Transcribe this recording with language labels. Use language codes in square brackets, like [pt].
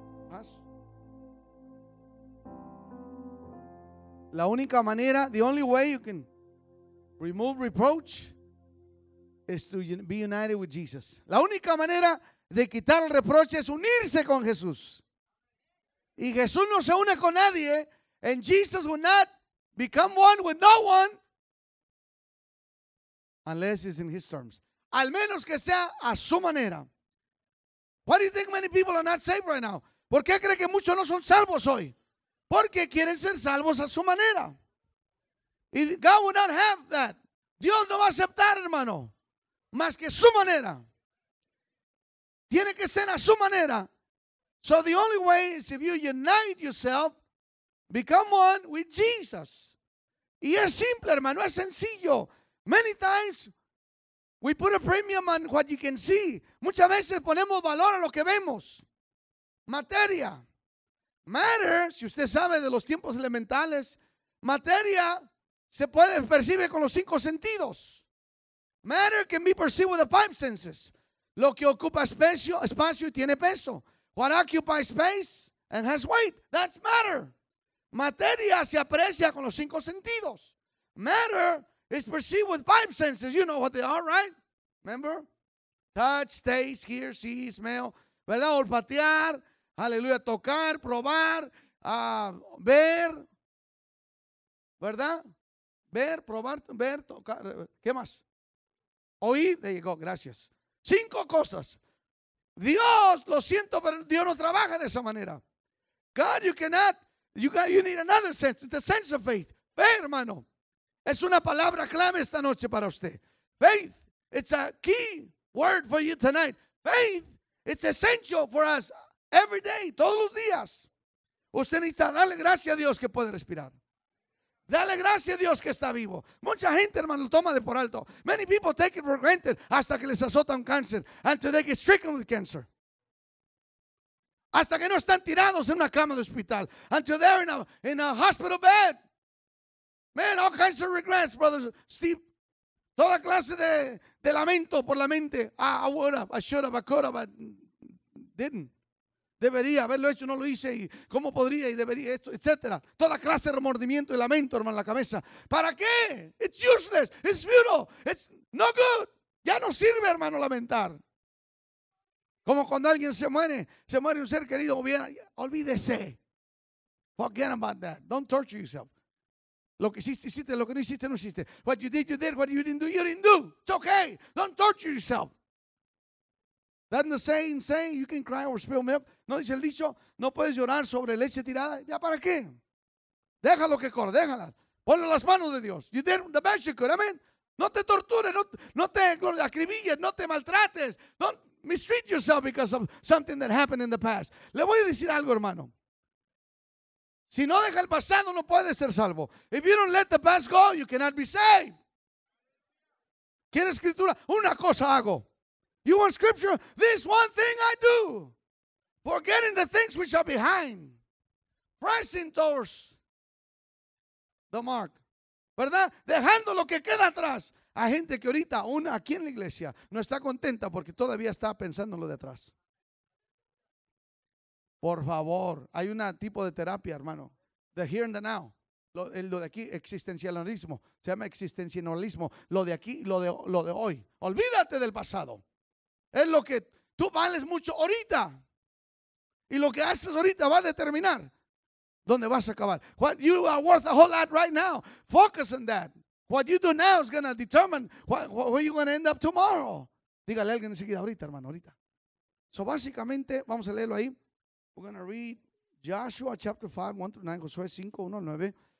[es] ¿Más? La única manera, [en] the only way you can remove reproach is to be united with Jesus. [es] La única manera de quitar el reproche es unirse con Jesús. Y Jesús no se une con nadie, [en] and Jesus will not become one with no one unless it's in his terms. [es] Al menos que sea a su manera. [en] Why do you think many people are not saved right now? [es] ¿Por qué cree que muchos no son salvos hoy? Porque quieren ser salvos a su manera. God will not have that. Dios no va a aceptar, hermano, más que su manera. Tiene que ser a su manera. [en] So the only way is if you unite yourself, become one with Jesus. [es] Y es simple, hermano, es sencillo. [en] Many times we put a premium on what you can see. [es] Muchas veces ponemos valor a lo que vemos. Materia. Matter, si usted sabe de los tiempos elementales, materia se puede percibir con los cinco sentidos. [en] Matter can be perceived with the five senses. [es] Lo que ocupa espacio y tiene peso. [en] What occupies space and has weight. That's matter. [es] Materia se aprecia con los cinco sentidos. [en] Matter is perceived with five senses. You know what they are, right? Remember? Touch, taste, hear, see, smell. [es] ¿Verdad? Olfatear. Aleluya, tocar, probar, ver, ¿verdad? Ver, probar, ver, tocar, ¿qué más? Oír, [en] there you go, [es] gracias. Cinco cosas. Dios, lo siento, pero Dios no trabaja de esa manera. [en] God, you cannot, you need another sense, it's the sense of faith. [es] Fe, hermano, es una palabra clave esta noche para usted. [en] Faith, it's a key word for you tonight. Faith, it's essential for us. Every day, [es] todos los días, usted necesita darle gracias a Dios que puede respirar. Dale gracias a Dios que está vivo. Mucha gente, hermano, lo toma de por alto. [en] Many people take it for granted [es] hasta que les azota un cáncer. [en] Until they get stricken with cancer. [es] Hasta que no están tirados en una cama de hospital. [en] Until they're in a hospital bed. Man, all kinds of regrets, brother Steve. [es] Toda clase de lamento por la mente. [en] I would have, I should have, I could have, but didn't. [es] Debería haberlo hecho, no lo hice, y cómo podría, y debería esto, etcétera. Toda clase de remordimiento y lamento, hermano, en la cabeza. ¿Para qué? [en] It's useless, it's futile, it's no good. [es] Ya no sirve, hermano, lamentar. Como cuando alguien se muere un ser querido, olvídese. [en] Forget about that, don't torture yourself. [es] Lo que hiciste, hiciste, lo que no hiciste, no hiciste. [en] What you did, what you didn't do, it's okay, don't torture yourself. Doesn't the saying say you can cry over spilled milk? [es] No, dice el dicho, no puedes llorar sobre leche tirada. ¿Ya para qué? Déjalo que corra, déjala. Ponle las manos de Dios. [en] You did the best you could, amen. [es] No te tortures, no te acribilles, no te maltrates. [en] Don't mistreat yourself because of something that happened in the past. [es] Le voy a decir algo, hermano. Si no deja el pasado, no puedes ser salvo. [en] If you don't let the past go, you cannot be saved. [es] ¿Quiere escritura? Una cosa hago. [en] You want scripture? This one thing I do. Forgetting the things which are behind. Pressing towards the mark. [es] ¿Verdad? Dejando lo que queda atrás. Hay gente que ahorita, una aquí en la iglesia, no está contenta porque todavía está pensando en lo de atrás. Por favor. Hay un tipo de terapia, hermano. [en] The here and the now. [es] Lo de aquí, existencialismo. Se llama existencialismo. Lo de aquí, lo de hoy. Olvídate del pasado. Es lo que tú vales mucho ahorita. Y lo que haces ahorita va a determinar dónde vas a acabar. [en] What you are worth a whole lot right now. Focus on that. What you do now is going to determine where you're going to end up tomorrow. [es] Dígale a alguien enseguida ahorita, hermano, ahorita. So, básicamente, vamos a leerlo ahí. [en] We're going to read Joshua chapter 5, 1 through 9, [es] Josué 5, 1 al 9.